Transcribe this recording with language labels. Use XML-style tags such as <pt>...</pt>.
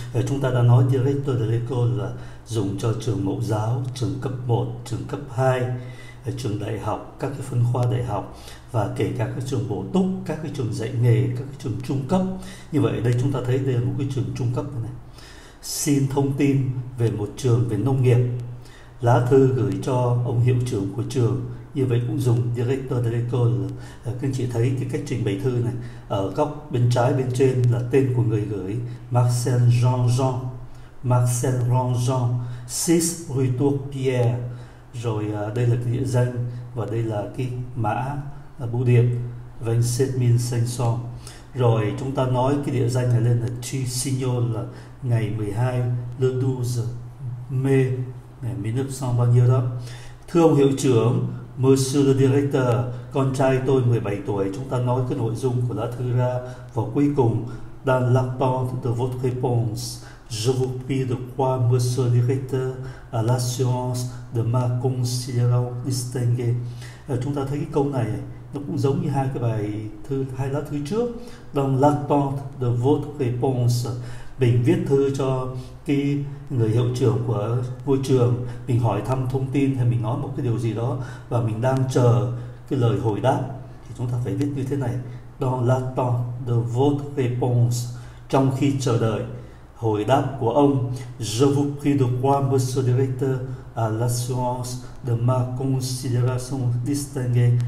<vi>Chúng ta đã nói</vi> <fr>directeur de l'école</fr> <vi>là dùng cho trường mẫu giáo, trường cấp 1, trường cấp 2, trường đại học, các cái phân khoa đại học và kể cả các trường bổ túc, các cái trường dạy nghề, các cái trường trung cấp. Như vậy ở đây chúng ta thấy đây là một cái trường trung cấp này. Xin thông tin về một trường về nông nghiệp. Lá thư gửi cho ông hiệu trưởng của trường. Như vậy cũng dùng</vi> <fr>Directeur de l'école.</fr> <vi>Các anh chị thấy cái cách trình bày thư này. Ở góc bên trái bên trên là tên của người gửi, Marcel Jean-Jean. Marcel Jean-Jean, 6 rue Tourpierre. Rồi đây là cái địa danh và đây là cái mã bưu điện, 27500. Rồi chúng ta nói cái địa danh này lên là Tri Signol, là ngày 12,</vi> <fr>le 12 mai,</fr> <vi>ngày 1900 bao nhiêu đó. Thưa ông hiệu trưởng,</vi> <fr>Monsieur le Directeur,</fr> <vi>con trai tôi 17 tuổi, chúng ta nói cái nội dung của lá thư ra.</vi> <fr>Và cuối cùng, dans l'attente de votre réponse, je vous prie de croire, Monsieur le Directeur, à l'assurance de ma considération distinguée.</fr> <vi>Chúng ta thấy cái câu này nó cũng giống như hai cái bài thư, hai lá thư trước,</vi> <fr>Dans la porte de votre réponse,</fr> <vi>mình viết thư cho cái người hiệu trưởng của ngôi trường, mình hỏi thăm thông tin hay mình nói một cái điều gì đó và mình đang chờ cái lời hồi đáp, thì chúng ta phải viết như thế này:</vi> <fr>Dans la porte de votre réponse,</fr> <vi>trong khi chờ đợi hồi đáp của ông,</vi> <fr>je vous prie de croire, monsieur le directeur, à l'assurance de ma considération distinguée.</fr>